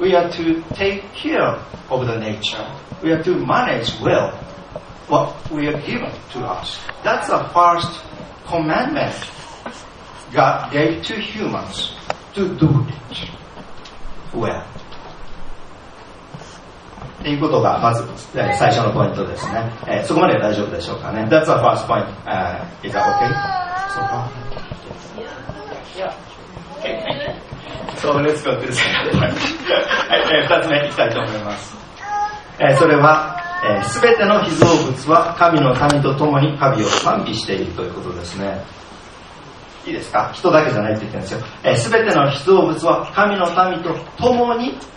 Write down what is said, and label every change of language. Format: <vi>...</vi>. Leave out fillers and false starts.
<en>We are to take care of the nature. We are to manage well what we are given to us. That's the first commandment God gave to humans, to do it well.</en> <ja>ということがまず最初のポイントですね。そこまで大丈夫でしょうかね。</ja> <en>That's the first point. Is that okay? So far? Yeah. Okay. So let's go to the second point.</en> <ja>2つ目いきたいと思います。それは、全ての被造物は神の民と共に神を賛美しているということですね。いいですか。人だけじゃないって言ってるんですよ。全ての被造物は神の民と共に</ja>